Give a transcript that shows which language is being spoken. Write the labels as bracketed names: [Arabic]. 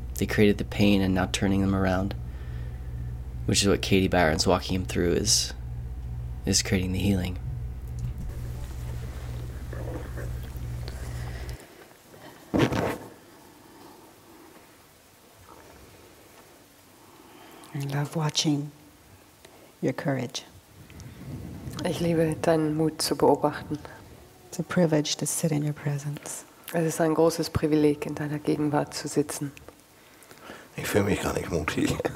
[English] They created the pain and now turning them around, which is what Katie Byron's walking him through, is creating the healing. I love watching your courage. [German] Ich liebe deinen Mut zu beobachten. [English] It's a privilege to sit in your presence. [German] Es ist ein großes Privileg, in deiner Gegenwart zu sitzen. Ich fühle mich gar nicht mutig.